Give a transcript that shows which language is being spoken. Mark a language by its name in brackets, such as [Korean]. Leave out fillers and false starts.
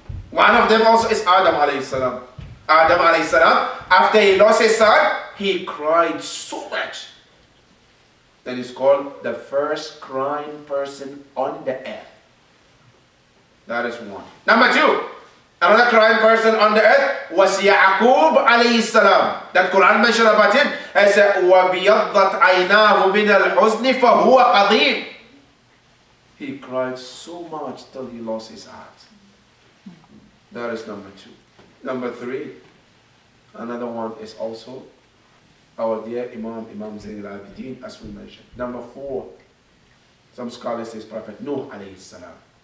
[English] One of them also is Adam alayhi salam. Adam alayhi salam, after he lost his son, he cried so much. That is called the first crying person on the earth. That is one. Number two, another crying person on the earth was Yaqub alayhi salam. That Quran mentioned about him. He said, [Arabic] وَبِيَضَّتْ عَيْنَاهُ مِنَ الْحُزْنِ فَهُوَ قَضِيمٌ. [English] He cried so much till he lost his eyes. That is number two. Number three, another one is also our dear Imam, Imam Zain al-Abidin, as we mentioned. Number four, some scholars say Prophet Nuh alayhi salam.